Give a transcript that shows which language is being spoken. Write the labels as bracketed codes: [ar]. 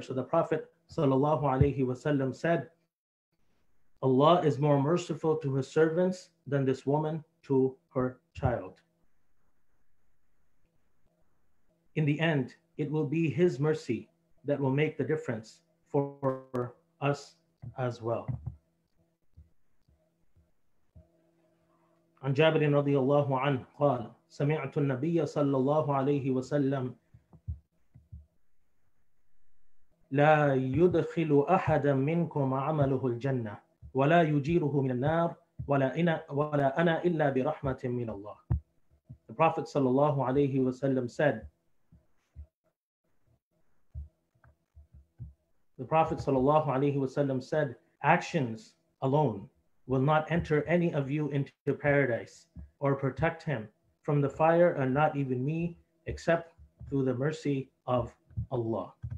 [en] So the Prophet sallallahu alayhi wasallam said, Allah is more merciful to his servants than this woman to her child. In the end, it will be his mercy that will make the difference for us as well. [ar] An Jabir radiyallahu anhu qala, sami'tu an-nabiyya sallallahu alayhi wa sallam لا يدخل أحدا منكم عمله الجنة ولا يجيره من النار ولا أنا إلا برحمة من الله. [en] The Prophet sallallahu alayhi wa sallam said, the Prophet sallallahu alayhi wa sallam said, actions alone will not enter any of you into paradise or protect him from the fire, and not even me, except through the mercy of Allah.